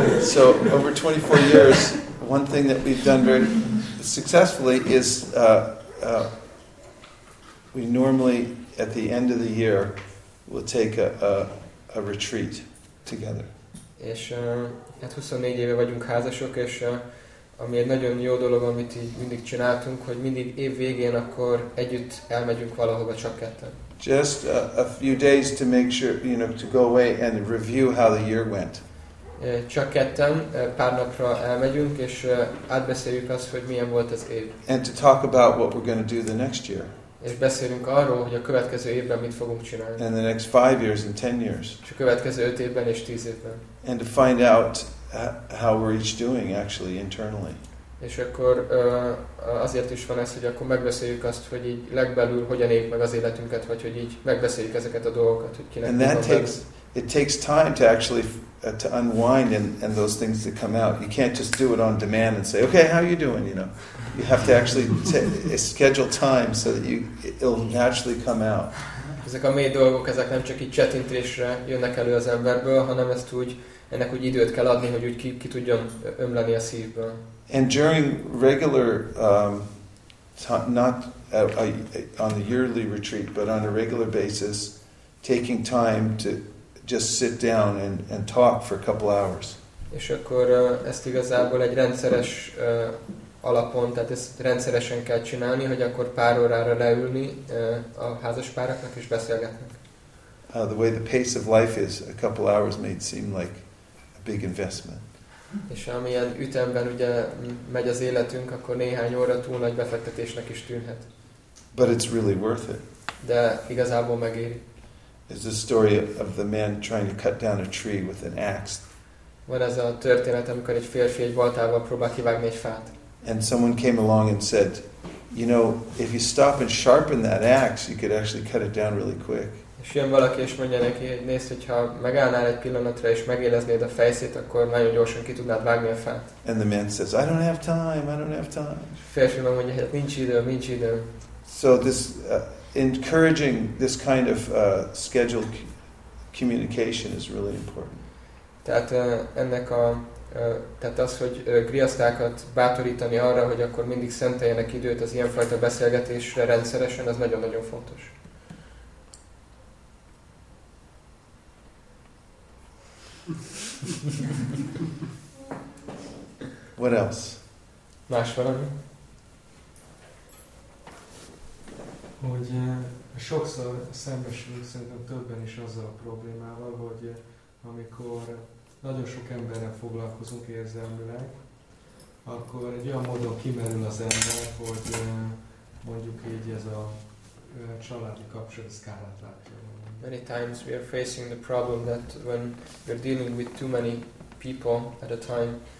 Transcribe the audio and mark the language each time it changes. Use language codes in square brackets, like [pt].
[en] So over 24 years, one thing that we've done very successfully is we normally at the end of the year will take a retreat together. [hu] És hát 24 éve vagyunk házasok, és ami egy nagyon jó dolog, amit így mindig csináltunk, hogy mindig év végén akkor együtt elmegyünk valahova csak ketten. [en] Just a few days to make sure, you know, to go away and review how the year went. [hu] Csak ketten, pár napra elmegyünk, és átbeszéljük azt, hogy milyen volt az év. [en] And to talk about what we're going to do the next year. [hu] És beszélünk arról, hogy a következő évben mit fogunk csinálni. [en] And the next 5 years and 10 years. [hu] És a következő 5 évben és 10 évben. [en] And to find out how we're each doing actually internally. [hu] És akkor azért is van ez, hogy akkor megbeszéljük azt, hogy így legbelül hogyan éljük meg az életünket, vagy hogy így megbeszéljük ezeket a dolgokat, hogy kinek. [en] And that takes belül. It takes time to actually to unwind and those things to come out. You can't just do it on demand and say, okay, how are you doing? You know, you have to actually schedule time so that it'll naturally come out. [hu] Ezek a mély dolgok, ezek nem csak így csetintésre jönnek elő az emberből, hanem ezt úgy, ennek úgy időt kell adni, hogy úgy ki tudjon ömleni a szívből. [en] And during regular, not on the yearly retreat, but on a regular basis, taking time to just sit down and talk for a couple hours. [hu] És akkor ezt igazából egy rendszeres alapon, tehát ezt rendszeresen kell csinálni, hogy akkor pár órára leülni a házaspároknak és beszélgetnek. [en] The way the pace of life is, a couple hours may seem like a big investment. [hu] És amilyen ütemben ugye megy az életünk, akkor néhány óra túl nagy befektetésnek is tűnhet. [en] But it's really worth it. [hu] De igazából megéri. [en] It's the story of the man trying to cut down a tree with an axe. [hu] Van ez a történet, amikor egy férfi egy baltával próbál kivágni egy fát. [en] And someone came along and said, you know, if you stop and sharpen that axe, you could actually cut it down really quick. [hu] És jön valaki és mondja neki, hogy nézd, hogyha megállnál egy pillanatra és megéleznéd a fejszét, akkor nagyon gyorsan ki tudnád vágni a fát. [en] And the man says, I don't have time, I don't have time. [hu] Férfi mondja, hát nincs idő, nincs idő. [en] So this encouraging this kind of scheduled communication is really important. [hu] Tehát ennek a tehát az, hogy grihasztákat bátorítani arra, hogy akkor mindig szenteljenek időt az ilyenfajta beszélgetésre rendszeresen, az nagyon-nagyon fontos. [en] What else? [hu] Más valami? Hogy sokszor szembesülünk szerintem többen is azzal a problémával, hogy amikor nagyon sok emberrel foglalkozunk érzelmileg, akkor egy olyan módon kimerül az ember, hogy mondjuk így ez a családi kapcsolat szkálát látja. [en] Many times we are facing the problem that when we're dealing with too many people at a time,